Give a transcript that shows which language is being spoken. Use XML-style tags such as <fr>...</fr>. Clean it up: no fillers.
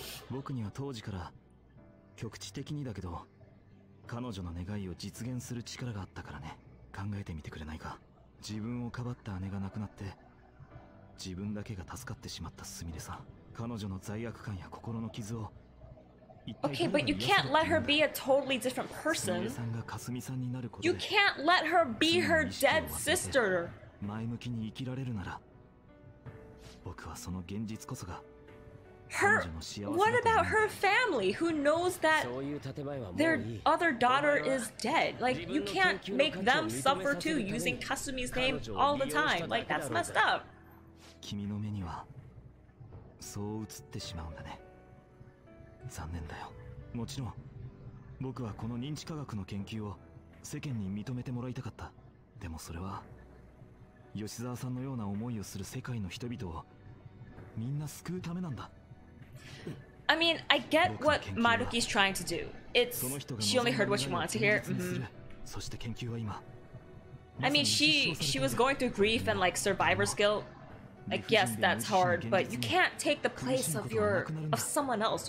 <ja>僕には当時から局地的にだけど、彼女の願いを実現する力があったからね。考えてみてくれないか。自分をかばった姉が亡くなって、自分だけが助かってしまったスミレさん。彼女の罪悪感や心の傷を。</ja> <en>Okay, but you can't let her be a totally different person. You can't let her be her dead sister.</en> <ja>前向きに生きられるなら、僕はその現実こそが彼女の幸せだと思う。</ja> <en>What about her family who knows that their other daughter is dead? Like, you can't make them suffer too using Kasumi's name all the time. Like, that's messed up.</en> <ja>君の目にはそう映ってしまうんだね。残念だよ。もちろん僕はこの認知科学の研究を世間に認めてもらいたかった。でもそれは吉沢さんのような思いをする世界の人々をみんな救うためなんだ。</ja> <en>I mean, I get what Maruki's trying to do. It's she only heard what she wanted to hear.</en> <ja>そして研究は今、</ja> <en>I mean, she was going through grief and like survivor's guiltLike, yes, that's hard, but you can't take the place of someone else.</en>